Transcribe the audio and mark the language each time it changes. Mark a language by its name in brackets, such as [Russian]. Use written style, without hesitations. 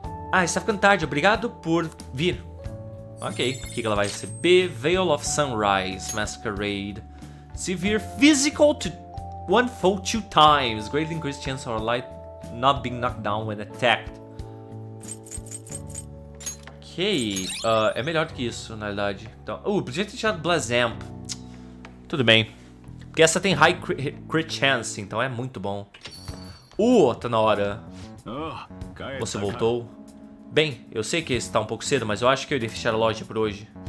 [Portuguese] Ah, está ficando tarde, obrigado por vir. Ok, o que ela vai receber? Veil of Sunrise Masquerade. Severe Physical [English] One fall two times, greatly increased chance of our light not being knocked down when attacked. [Portuguese] Ok, é melhor do que isso, na verdade. Então, podia ter tirado Blazamp. Tudo bem. Porque essa tem high crit chance, então é muito bom. Tá na hora. Você voltou? Bem, eu sei que está um pouco cedo, mas eu acho que eu irei fechar a loja por hoje.